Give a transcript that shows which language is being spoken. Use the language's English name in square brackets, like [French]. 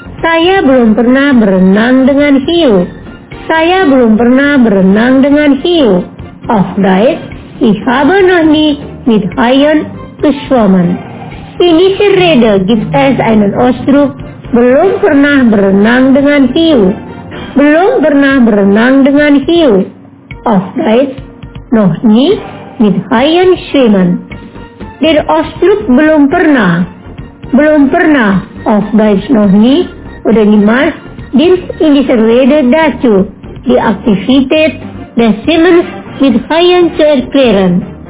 [Indonesian] Saya belum pernah berenang dengan hiu. Saya belum pernah berenang dengan hiu. [German] Auf Deutsch, ich habe noch nie mit Haien geschwommen. Ini Rede gibt es einen Ausdruck, [Indonesian] belum pernah berenang dengan hiu. Belum pernah berenang dengan hiu. [German] Auf Deutsch, noch nie mit Haien schwimmen. Der Ausdruck [Indonesian] belum pernah. Belum pernah. [German] Auf Deutsch, noch nie. Oder niemals, dies in dieser Rede dazu, die Aktivität des Schwimmens mit Haien zu erklären.